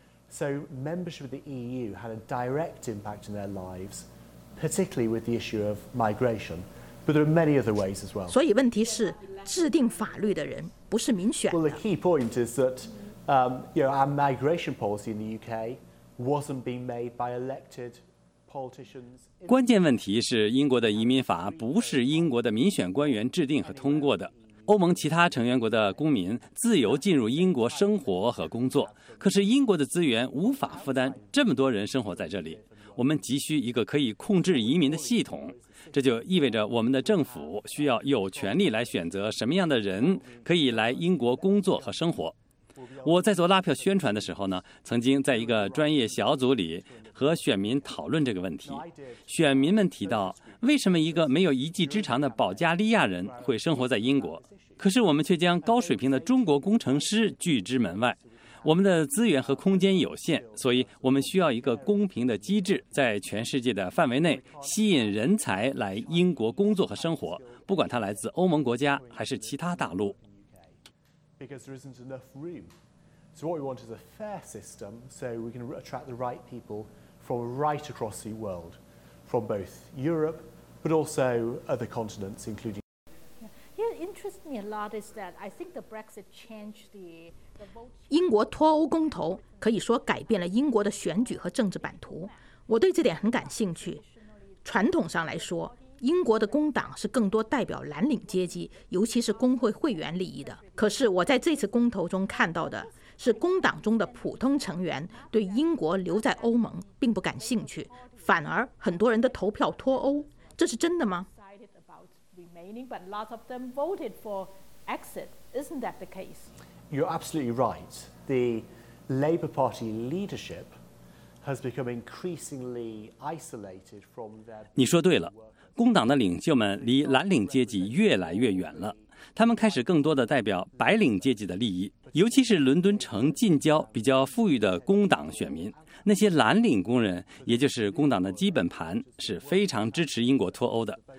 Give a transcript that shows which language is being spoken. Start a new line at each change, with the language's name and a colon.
English: So membership of the EU had a direct impact in their lives, particularly with the issue of migration. But there are many other ways as well.
Chinese: 所以问题是，制定法律的人不是民选的。
English: Well, the key point is that, you know, our migration policy in the UK wasn't being made by elected politicians.
Chinese: 关键问题是，英国的移民法不是英国的民选官员制定和通过的。欧盟其他成员国的公民自由进入英国生活和工作，可是英国的资源无法负担这么多人生活在这里。我们急需一个可以控制移民的系统，这就意味着我们的政府需要有权利来选择什么样的人可以来英国工作和生活。我在做拉票宣传的时候呢，曾经在一个专业小组里和选民讨论这个问题。选民们提到，为什么一个没有一技之长的保加利亚人会生活在英国？可是我们却将高水平的中国工程师拒之门外。我们的资源和空间有限，所以我们需要一个公平的机制，在全世界的范围内吸引人才来英国工作和生活，不管他来自欧盟国家还是其他大陆。
English: Because there isn't enough room. So what we want is a fair system so we can attract the right people from right across the world, from both Europe, but also other continents, including... Yeah, it interests me a lot is that I think the Brexit changed the...
Chinese: 英国脱欧公投可以说改变了英国的选举和政治版图，我对这点很感兴趣。传统上来说，英国的工党是更多代表蓝领阶级，尤其是工会会员利益的。可是我在这次公投中看到的是，工党中的普通成员对英国留在欧盟并不感兴趣，反而很多人的投票脱欧，这是真的吗？
English: You're absolutely right. The Labour Party leadership has become increasingly isolated from their.
Chinese: 你说对了，工党的领袖们离蓝领阶级越来越远了，他们开始更多的代表白领阶级的利益，尤其是伦敦城近郊比较富裕的工党选民。那些蓝领工人，也就是工党的基本盘，是非常支持英国脱欧的。